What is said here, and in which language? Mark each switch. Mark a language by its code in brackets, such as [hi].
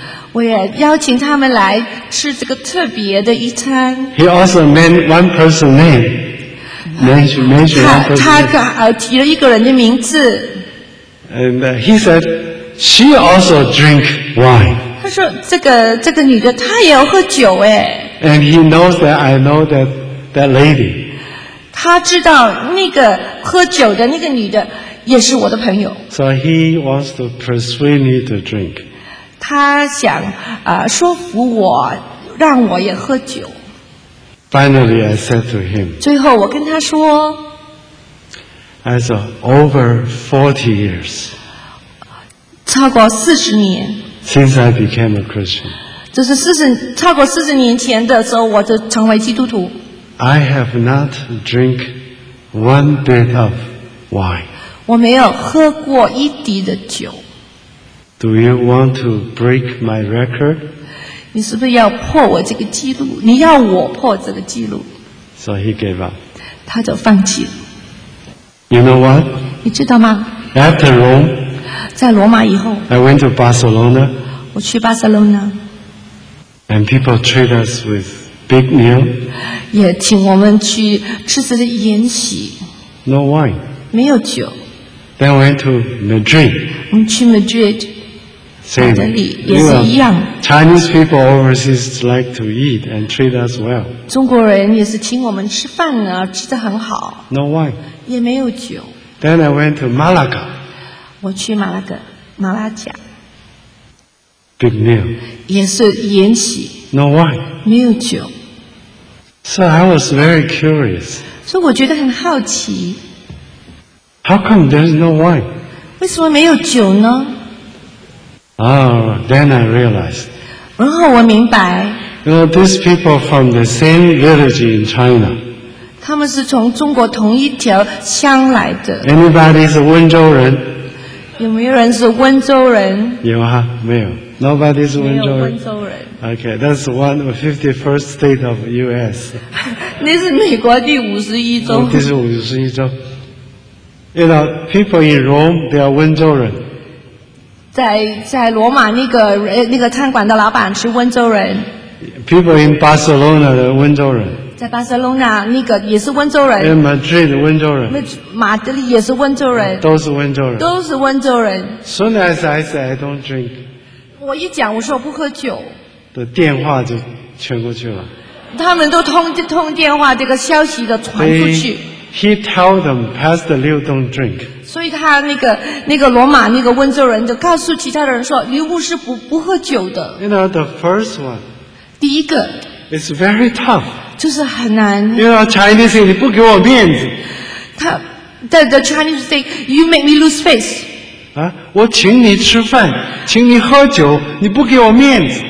[zh] 我也邀请他们来吃这个特别的一餐。 [en] He also mentioned one person name. [zh] He 提了一个人的名字。 [en] And he said she also drink wine. [zh] 他说这个女的她也要喝酒哎。 [en] And he knows that I know that lady. [zh] 他知道那个喝酒的那个女的。也是我的朋友。 [en] So he wants to persuade me to drink. [zh] 他想说服我，让我也喝酒。 [en] Finally, I said to him. [zh] 最后我跟他说。 [en] As over 40 years. [zh] 超过四十年。 [en] Since I became a Christian. [zh] 就是超过四十年前的时候，我就成为基督徒。 [en] I have not drink one bit of wine. [zh] 我没有喝过一滴的酒。 [en] Do you want to break my record? [zh] 你是不是要破我这个记录？你要我破这个记录 [en] ？So he gave up. [zh] 他就放弃了。 [en] You know what? [zh] 你知道吗 [en] ？After Rome, [zh] 在罗马以后 [en] ，I went to Barcelona. [zh] 我去巴塞罗那。 [en] And people treat us with big meal. [zh] 也请我们去吃这个宴席。 [en] No wine. [zh] 没有酒。 [en] Then we went to Madrid. [zh] 我们去 Madrid. [en] Same. [zh] 马德里也是一样。 [en] Chinese people overseas like to eat and treat us well. [zh] 中国人也是请我们吃饭啊，吃得很好。 [en] No wine. [zh] 也没有酒。 [en] Then I went to Malaga. [zh] 我去马拉加。 [en] Big meal. [zh] 也是宴席。 [en] No wine. [zh] 没有酒。 [en] So I was very curious. [zh] 所以我觉得很好奇。 [en] How come there's no wine? [zh] 为什么没有酒呢？ [en] Oh, then I realized. [zh] 然后我明白。 [en] These people from the same village in China. [zh] 他们是从中国同一条乡来的。 [en] Anybody is 温州人？ [zh] 有没有人是温州人？有啊，没有。 [en] Nobody is [zh] 温州人。没有温州人。 [en] Okay, that's one of 51st state of U.S. [zh] 那是美国第五十一州。第五十一州。 [en] You know, people in Rome, they are 温州人。 [zh] 在罗马那个餐馆的老板是温州人。 [en] People in Barcelona, they're 温州人。 [zh] 在巴塞隆纳那个也是温州人。 [en] In Madrid, 温州人。 [zh] 马德里也是温州人。都是温州人。都是温州人。 [en] Soon as I say I don't drink, [zh] 我一讲我说我不喝酒。的电话就传过去了。他们都通电话，这个消息的传出去。 [en] He tell them, Pastor Liu don't drink. [zh] 所以他那个罗马那个温州人就告诉其他的人说，刘牧师不喝酒的。 [en] You know the first one. [zh] 第一个。 [en] It's very tough. [zh] 就是很难。 [en] You know, Chinese say, [zh] 你不给我面子。 [en] The Chinese say, you make me lose face. [zh] 啊，我请你吃饭，请你喝酒，你不给我面子。